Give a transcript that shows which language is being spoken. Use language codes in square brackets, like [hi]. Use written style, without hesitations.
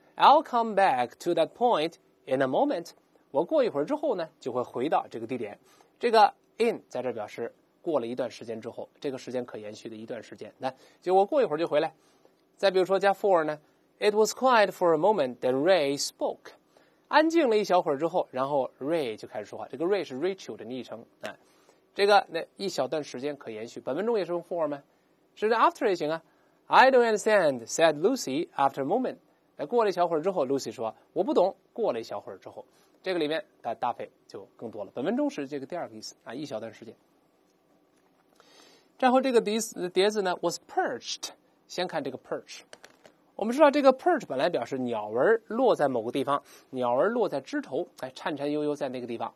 [en] I'll come back to that point in a moment. [zh] 我过一会儿之后呢，就会回到这个地点。这个 in 在这表示过了一段时间之后，这个时间可延续的一段时间。那就我过一会儿就回来。再比如说加 [en] for 呢 ，It was quiet for a moment. Then Ray spoke. [zh] 安静了一小会儿之后，然后 Ray 就开始说话。这个 Ray 是 Rachel 的昵称。这个那一小段时间可延续，本文中也是用 for 吗？是的 ，after 也行啊。 [en] I don't understand, said Lucy after a moment. [zh] 过了一小会儿之后 ，Lucy 说：“我不懂。” 过了一小会儿之后，这个里面的搭配就更多了。本文中是这个第二个意思啊，一小段时间。然后这个碟子呢 ，was perched。先看这个 perch。我们知道这个 perch 本来表示鸟儿落在某个地方，鸟儿落在枝头，哎，颤颤悠悠在那个地方。